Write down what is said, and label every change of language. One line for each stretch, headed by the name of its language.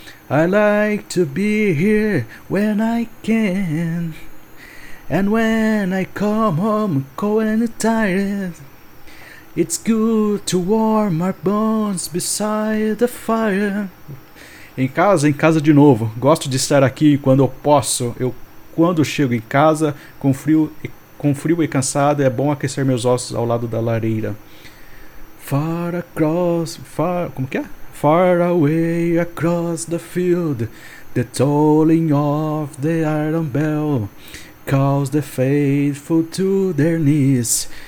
English: I like to be here when I can. And when I come home, cold and tired. It's good to warm our bones beside the fire.
Portuguese: Em casa de novo. Gosto de estar aqui quando eu posso. Eu quando chego em casa com frio e cansado, é bom aquecer meus ossos ao lado da lareira.
English: Far across, far,
Portuguese: como que é?
English: Far away across the field, the tolling of the iron bell calls the faithful to their knees.